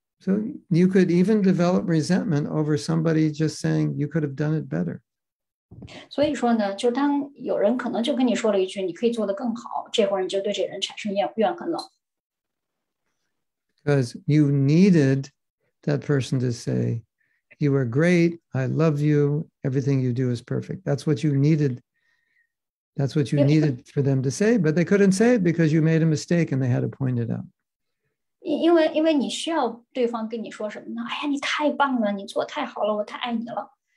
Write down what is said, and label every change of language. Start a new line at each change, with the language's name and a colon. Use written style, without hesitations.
English: So you could even develop resentment over somebody just saying you could have done it better.
Chinese: 所以说呢，就当有人可能就跟你说了一句你可以做得更好，这会儿你就对这人产生怨恨了。
English: Because you needed that person to say, you are great, I love you, everything you do is perfect. That's what you needed. That's what you needed for them to say, but they couldn't say it because you made a mistake and they had to point it out.
Chinese: 因为你需要对方跟你说什么呢？哎呀，你太棒了，你做得太好了，我太爱你了。